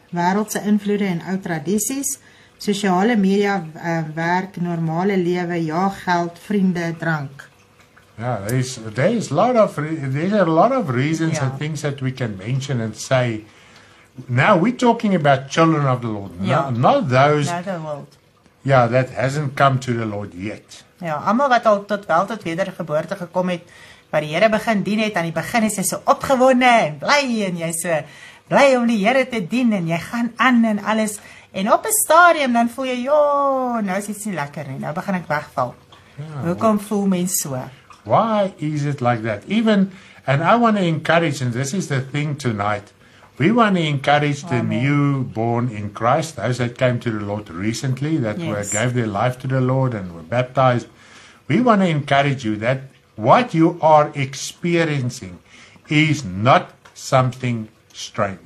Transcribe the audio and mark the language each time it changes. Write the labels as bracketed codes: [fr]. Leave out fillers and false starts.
[af] Wêreldse invloede en ou tradisies, sosiale media, werk, normale lewe, ja, geld, vriende, drank. [en] Yeah, there's a lot of reasons and things that we can mention and say. Now we're talking about children of the Lord, not those. Not the world. Yeah, that hasn't come to the Lord yet. [af] Ja, almal wat al tot wel tot wedergeboorte gekom het, wat die Here begin dien het, aan die begin is jy so opgewonde en bly en jy so bly om die Here te dien en jy gaan aan en alles. En op 'n stadium dan voel jy, nou is dit nie lekker nie. Nou begin ek wegval. [en] Yeah, [af] hoekom voel mens so? [en] Why is it like that? Even, and I want to encourage, and this is the thing tonight, we want to encourage the new born in Christ, those that came to the Lord recently, that gave their life to the Lord and were baptized. We want to encourage you that what you are experiencing is not something strange.